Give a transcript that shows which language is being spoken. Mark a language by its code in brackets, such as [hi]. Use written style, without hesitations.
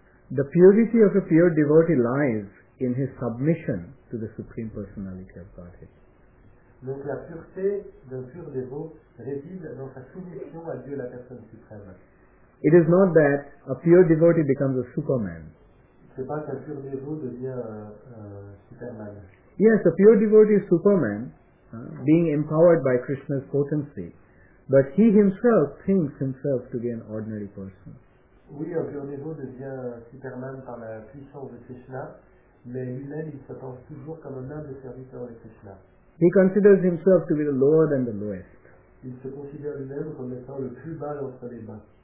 [en] The purity of a pure devotee lies in his submission to the Supreme Personality of Godhead. [fr] Donc la pureté d'un pur dévot réside dans sa soumission à Dieu, la personne suprême. [en] It is not that a pure devotee becomes a superman. [fr] C'est pas qu'un pur dévot devient superman. [en] Yes, a pure devotee is superman, being empowered by Krishna's potency, but he himself thinks himself to be an ordinary person. [fr] Oui, un pur dévot devient Superman par la puissance de Krishna, mais lui-même, il se pense toujours comme un humble serviteur de Krishna. [en] He considers himself to be the lower than the lowest. [fr] Il se considère lui-même comme étant le plus bas entre les bas.